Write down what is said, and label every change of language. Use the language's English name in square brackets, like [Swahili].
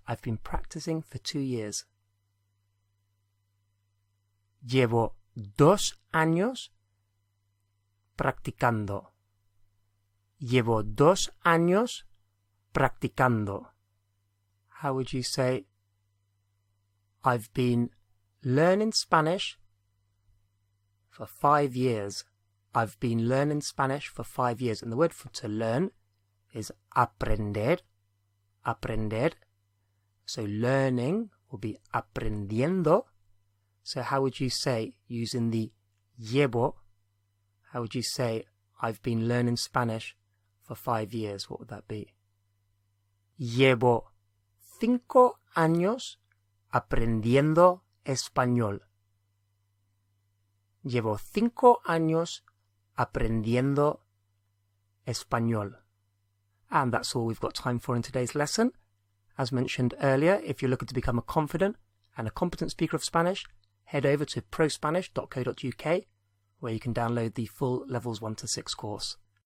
[English] I've been practicing for 2 years. [Spanish] Llevo 2 años practicando. Llevo 2 años practicando. [English] How would you say, I've been learning Spanish for 5 years. I've been learning Spanish for 5 years. And the word for to learn is aprender. Aprender. So learning will be aprendiendo. So how would you say, using the llevo, how would you say, I've been learning Spanish for 5 years? What would that be? [Spanish] Llevo 5 años aprendiendo español. Llevo 5 años aprendiendo español. [English] And that's all we've got time for in today's lesson. As mentioned earlier, if you're looking to become a confident and a competent speaker of Spanish, head over to prospanish.co.uk, where you can download the full Levels 1 to 6 course.